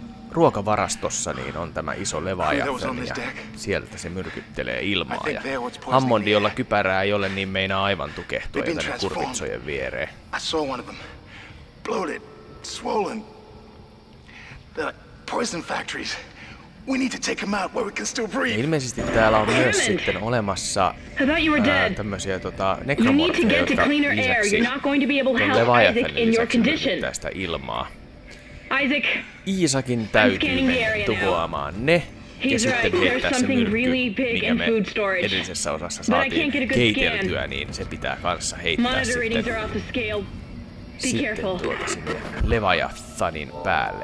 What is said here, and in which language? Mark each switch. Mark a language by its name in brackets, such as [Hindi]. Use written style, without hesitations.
[Finnish] Ruokavarastossa niin on tämä iso Leviathan ja sieltä se myrkyttelee ilmaa ja Hammondi, jolla kypärää ei ole, niin meinaa aivan tukehtua ja tänne kurpitsojen viereen. [English] I saw one of them. Bloated, swollen. They're like poison factories. We need to take them out where we can still breathe. [Finnish] Ilmeisesti täällä on myös sitten olemassa tämmösiä nekromorfeja, jotka lisäksi Leviathanin lisäksi myrkyttää sitä ilmaa. Isaacin täytyy tuhoamaan ne, ja sitten heittää se myrkky, minkä me edellisessä osassa saatiin keiteltyä, niin se pitää kanssa heittää sitten sinne Leviathanin päälle.